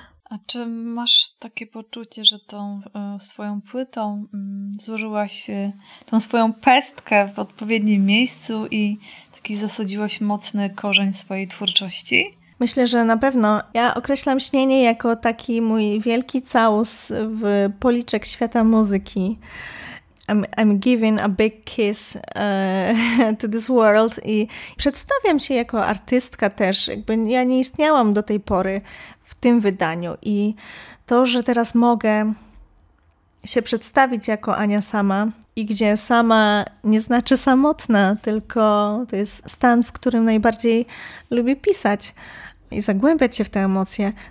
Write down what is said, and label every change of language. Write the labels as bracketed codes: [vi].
[pl] A czy masz takie poczucie, że tą swoją płytą złożyłaś tą swoją pestkę w odpowiednim miejscu i taki zasadziłaś mocny korzeń swojej twórczości? Myślę, że na pewno. Ja określam śnienie jako taki mój wielki całus w policzek świata muzyki. [en] I'm giving a big kiss to this world. [pl] I przedstawiam się jako artystka też. Jakby ja nie istniałam do tej pory w tym wydaniu. I to, że teraz mogę się przedstawić jako Ania Sama i gdzie sama nie znaczy samotna, tylko to jest stan, w którym najbardziej lubię pisać i zagłębiać się w te emocje.